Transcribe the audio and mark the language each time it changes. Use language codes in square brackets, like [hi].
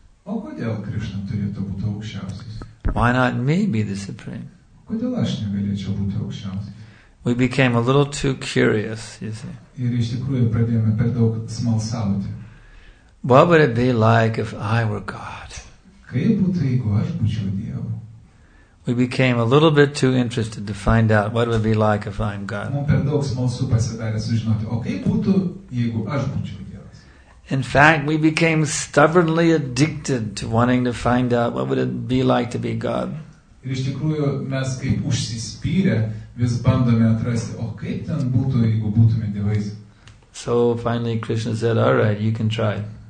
[lt] O kodėl Krishna turėtų būti aukščiausias? [en] Why not me be the supreme? [lt] Kodėl aš negalėčiau būti aukščiausias? [en] We became a little too curious, you see. [lt] Ir iš tikrųjų pradėjome per daug smalsauti. [en] What would it be like if I were God? [lt] Kaip būtų, jeigu aš būčiau Dievu? [en] We became a little bit too interested to find out what it would be like if I'm God. [lt] Mums per daug smalsų pasidarė sužinoti, o kaip būtų, jeigu aš būčiau. [en] In fact, we became stubbornly addicted to wanting to find out what would it be like to be God. So finally Krishna said, all right, you can try.